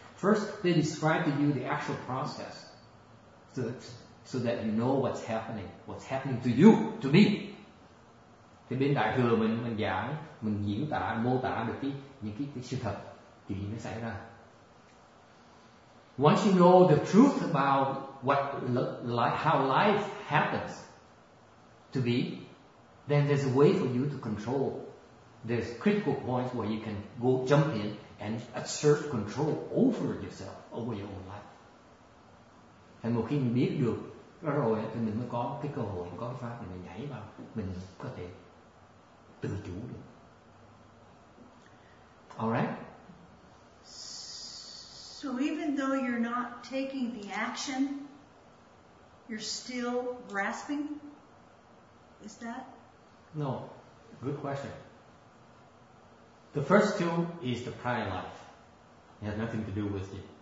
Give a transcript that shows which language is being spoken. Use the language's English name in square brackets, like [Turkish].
[English] First, they describe to you the actual process, so that you know what's happening to you, to me. [Vietnamese] Thì bên đại thừa mình giảng, mình diễn tả, mô tả được những cái sự thật, chuyện nó xảy ra. [English] Once you know the truth about how life happens to be, then there's a way for you to control. There's critical points where you can go jump in and assert control over yourself, over your own life. [Vietnamese] Thì một khi mình biết được đó rồi thì mình mới có cái cơ hội, có cái pháp để mình nhảy vào, mình có thể tự chủ được. [English] Alright? So even though you're not taking the action, you're still grasping? Is that? No. Good question. The first two is the prior life. It has nothing to do with you.